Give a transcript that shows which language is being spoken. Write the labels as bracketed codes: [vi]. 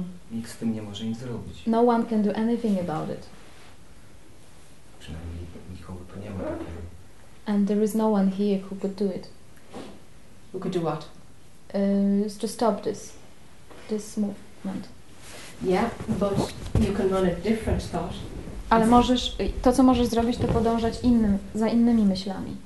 [pl] Nikt z tym nie może nic zrobić. [en] No one can do anything about it. [pl] Przynajmniej nikogo tu nie ma takiego. [en] And there is no one here who could do it. Who could do what? To stop this movement. Yeah, but you can run a different thought. [pl] Ale możesz, to co możesz zrobić, to podążać innym, za innymi myślami.